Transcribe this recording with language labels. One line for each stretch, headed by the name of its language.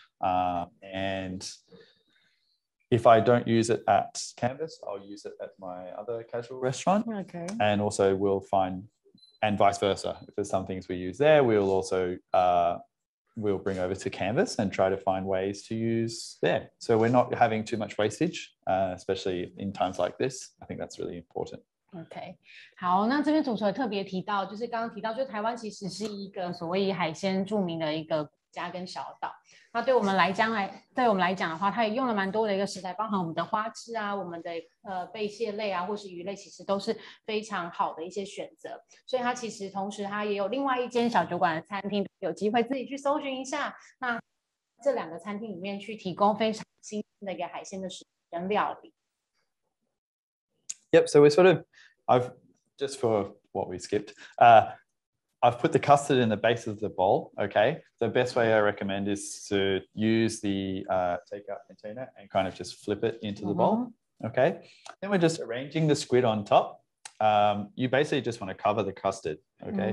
English: And if I don't use it at Canvas, I'll use it at my other casual restaurant. Okay. And also we'll find, and vice versa, if there's some things we use there, we'll also, we'll bring over to Canvas and try to find ways to use there. So we're not having too much wastage, especially in times like this. I think that's really important.
Chinese: OK, 好，那这边主厨特别提到，就是刚刚提到，就是台湾其实是一个所谓海鲜著名的一个国家跟小岛。那对我们来讲，的话，它也用了蛮多的一个食材，包含我们的花枝啊，我们的贝蟹类啊，或是鱼类，其实都是非常好的一些选择。所以它其实同时它也有另外一间小酒馆的餐厅，有机会自己去搜寻一下。那这两个餐厅里面去提供非常新的一个海鲜的食材跟料理。
English: Yep, so we're sort of, I've, just for what we skipped, I've put the custard in the base of the bowl, okay? The best way I recommend is to use the takeout container and kind of just flip it into the bowl, okay? Then we're just arranging the squid on top. You basically just want to cover the custard, okay?